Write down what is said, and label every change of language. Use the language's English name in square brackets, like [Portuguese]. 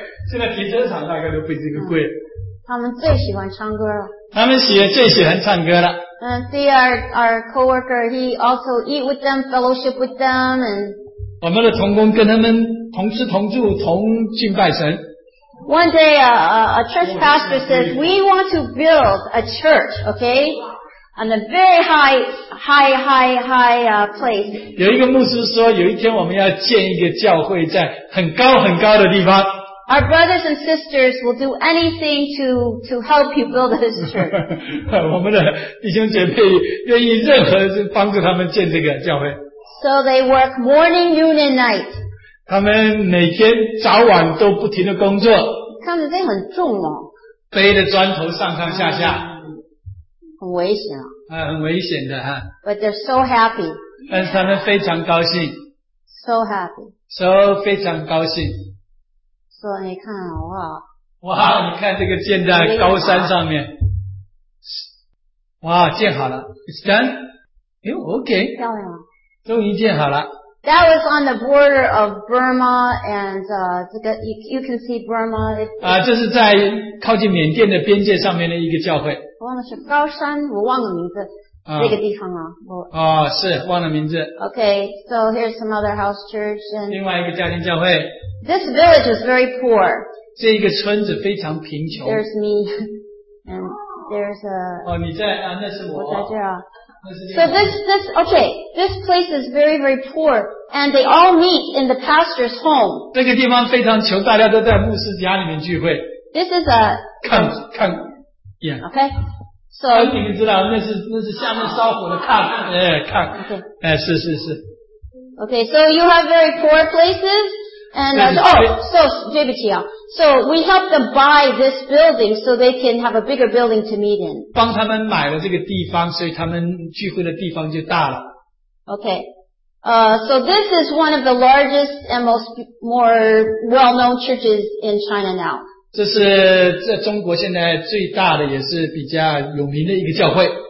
[Chinese] 现在停车场大概都比这个贵。他们最喜欢唱歌了。他们最喜欢唱歌了。 [English] See our coworker, he also eat with them, fellowship with them, and [Chinese] 我们的同工跟他们同吃同住同敬拜神。 [English] One day, a church pastor says, we want to build a church, okay? On a very high place. [Chinese] 有一个牧师说，有一天我们要建一个教会在很高很高的地方。 [English] Our brothers and sisters will do anything to help you build this church. [Chinese] 我们的弟兄姐妹愿意任何帮助他们建这个教会。 [English] So they work morning, noon, and night. [Chinese] 他们每天早晚都不停的工作。看着这很重哦。背着砖头上上下下。很危险啊。很危险的哈。 [English] But they're so happy. [Chinese] 但是他们非常高兴。 [English] So happy. [Chinese] So 非常高兴。 So 你看哇。哇你看这个建在高山上面。哇建好了。 [English] It's done? Okay. [Chinese] 漂亮了。终于建好了。 [English] That was on the border of Burma, and, 这个 you can see Burma. [Chinese] 这是在靠近缅甸的边界上面的一个教会。我忘了是高山，我忘了名字。那个地方啊。哦是忘了名字。 [English] Okay, so here's some other house church. And [Chinese] 另外一个家庭教会。 [English] This village is very poor. [Chinese] 这一个村子非常贫穷。 [English] There's me. And there's a... [Chinese] 哦你在啊那是我。我在这儿啊。 [English] So this, okay, this place is very, very poor, and they all meet in the pastor's home. [Chinese] 这个地方非常穷，大家都在牧师家里面聚会。 [English] This is a, [Chinese] 看看 yeah. [English] Okay. So, [Chinese] 你们知道，那是下面烧火的炕，炕。 [English] Okay. [Chinese] 是。 [English] Okay, so you have very poor places, and, So we help them buy this building so they can have a bigger building to meet in. [Chinese] 帮他们买了这个地方，所以他们聚会的地方就大了。 [English] Okay. So this is one of the largest and most more well-known churches in China now. [Chinese] 这是在中国现在最大的，也是比较有名的一个教会。